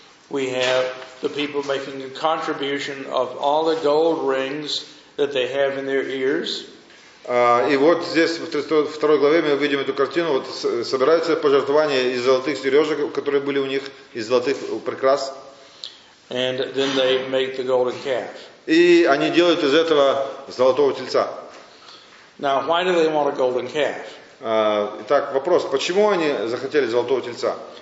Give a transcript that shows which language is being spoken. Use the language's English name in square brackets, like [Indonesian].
[English] we have the people making a contribution of all the gold rings that they have in their ears. [Russian] И вот здесь в 32 главе мы видим эту картину. Вот собираются пожертвования из золотых сережек, которые были у них, из золотых прикрас. [English] And then they make the golden calf. [Russian] И они делают из этого золотого тельца. [English] Now, why do they want a golden calf? [Russian] Итак, вопрос: почему они захотели золотого тельца?